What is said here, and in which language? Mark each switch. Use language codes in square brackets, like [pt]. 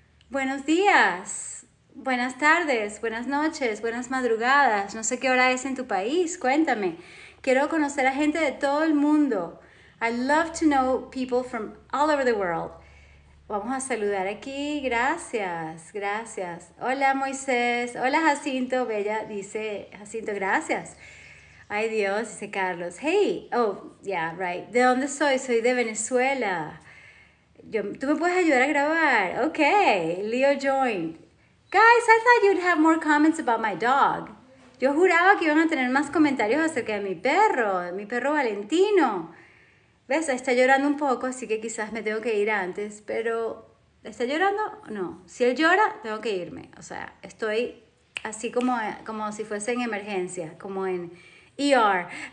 [es] Buenos días, buenas tardes, buenas noches, buenas madrugadas. No sé qué hora es en tu país, cuéntame. Quiero conocer a gente de todo el mundo. [en] I love to know people from all over the world. [es] Vamos a saludar aquí. Gracias, gracias. Hola Moisés. Hola Jacinto. Bella dice Jacinto, gracias. Ay Dios, dice Carlos. [en] Hey, oh, yeah, right. [es] ¿De dónde soy? Soy de Venezuela. ¿Tú me puedes ayudar a grabar? [en] Ok, Leo joined. Guys, I thought you'd have more comments about my dog. [es] Yo juraba que iban a tener más comentarios acerca de mi perro Valentino. ¿Ves? Está llorando un poco, así que quizás me tengo que ir antes, pero ¿está llorando? No. Si él llora, tengo que irme. O sea, estoy así como si fuese en emergencia, como en ER.